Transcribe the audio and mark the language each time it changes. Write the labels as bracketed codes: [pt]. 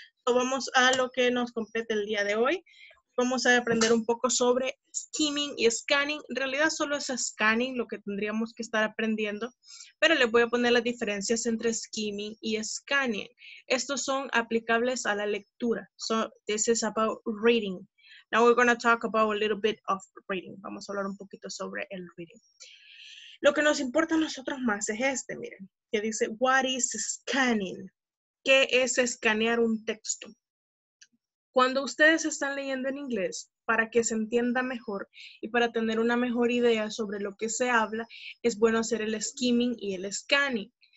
[es] So, vamos a lo que nos compete el día de hoy. Vamos a aprender un poco sobre skimming y scanning. En realidad solo es scanning lo que tendríamos que estar aprendiendo, pero les voy a poner las diferencias entre skimming y scanning. Estos son aplicables a la lectura. [en] So this is about reading. Now we're going to talk about a little bit of reading. [es] Vamos a hablar un poquito sobre el reading. Lo que nos importa a nosotros más es este, miren, que dice, [en] what is scanning? [es] ¿Qué es escanear un texto? Cuando ustedes están leyendo en inglés, para que se entienda mejor y para tener una mejor idea sobre lo que se habla, es bueno hacer el skimming y el scanning.